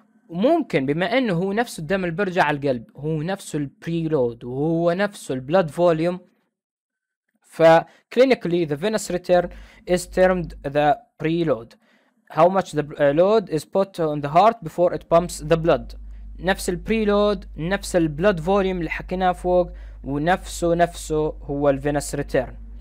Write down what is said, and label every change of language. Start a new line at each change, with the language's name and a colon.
Arabic: ممكن بما انه هو نفس الدم اللي برجع على القلب، هو نفس البريلود وهو نفس البلاد فوليوم، فكلينيكلي
English: the venous return is termed the preload. How much the load is put on the heart before it pumps the blood.
Arabic: نفس البريلود، نفس البلاد فوليوم اللي حكيناه فوق، ونفسه هو ال venous return.